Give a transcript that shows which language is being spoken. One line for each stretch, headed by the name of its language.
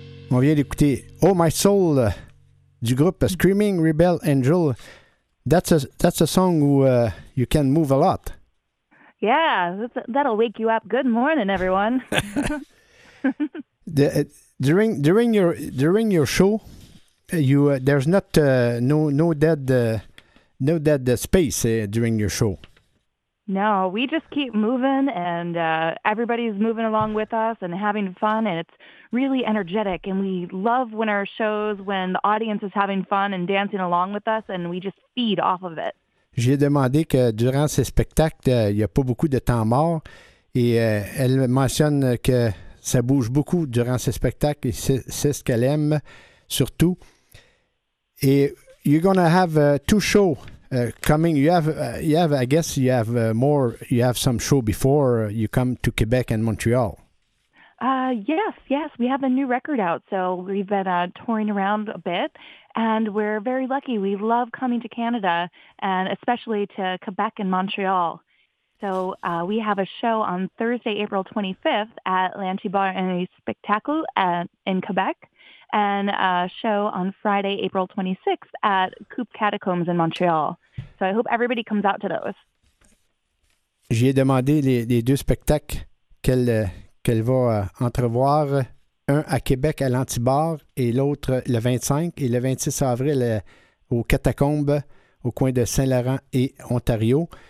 French: On vient d'écouter Oh My Soul du groupe Screaming Rebel Angel.
English: That's a song
French: où
English: you can move a lot. Yeah, that'll wake you up. Good morning, everyone. during your show, there's no dead space during your show. No, we just keep moving, and everybody's moving along with us and having fun, and it's really energetic, and we love when our shows, when the audience is having fun and dancing along with us, and we just feed off of it.
French: J'ai demandé que durant ces spectacles, il n'y a pas beaucoup de temps mort, et elle mentionne que ça bouge beaucoup durant ces spectacles, et c'est ce qu'elle aime surtout.
English: Et you're going to have two shows. Coming, you have some show before you come to Quebec and Montreal. Yes, we have a new record out, so we've been touring around a bit, and we're very lucky. We love coming to Canada, and especially to Quebec and Montreal. So we have a show on Thursday, April 25th at L'Antibar and a Spectacle in Quebec, and a show on Friday, April 26th at Coupe Catacombs in Montreal. So I hope everybody comes out to those.
French: J'y ai demandé les deux spectacles qu'elle va entrevoir, un à Québec à l'Antibar et l'autre le 25 et le 26 avril au Catacombes au coin de Saint-Laurent et Ontario.